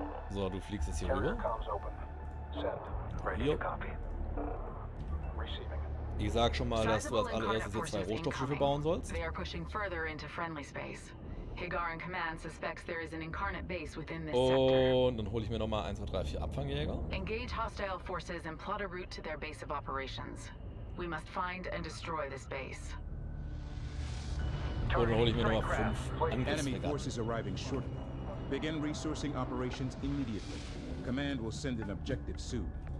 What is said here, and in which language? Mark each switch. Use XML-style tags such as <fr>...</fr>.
<de>So, du fliegst jetzt hier rüber. Hier. Ich sag schon mal, dass du als allererstes jetzt 2 Rohstoffschiffe bauen sollst. Sie pushen weiter in</de> <en>friendly space. Higar in Command suspects there is an incarnate base within this sector.</en> <de>Und dann hole ich mir nochmal 1, 2, 3, 4 Abfangjäger.</de> <en>Engage hostile forces and plot a route to their base of operations. We must find and destroy this base.</en> <de>Und dann hole ich mir nochmal 5 Angriffsfregatten.</de> <en>Begin resourcing operations immediately. Command will send an objective soon.</en>